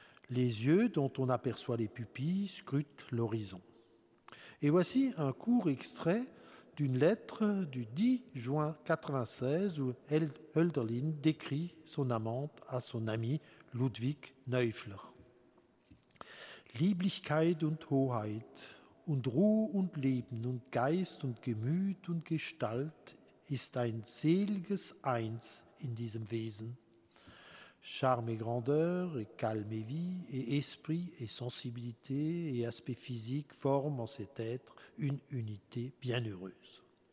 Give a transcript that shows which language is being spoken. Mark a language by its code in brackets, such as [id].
[fr] Les yeux, dont on aperçoit les pupilles, scrutent l'horizon. Et voici un court extrait d'une lettre du 10 juin 96 où Hölderlin décrit son amante à son ami Ludwig Neufler. [de] Lieblichkeit und Hoheit und Ruh und Leben und Geist und Gemüt und Gestalt ist ein seliges Eins in diesem Wesen. [fr] Charme et grandeur, et calme et vie, et esprit, et sensibilité, et aspect physique forment en cet être une unité bienheureuse.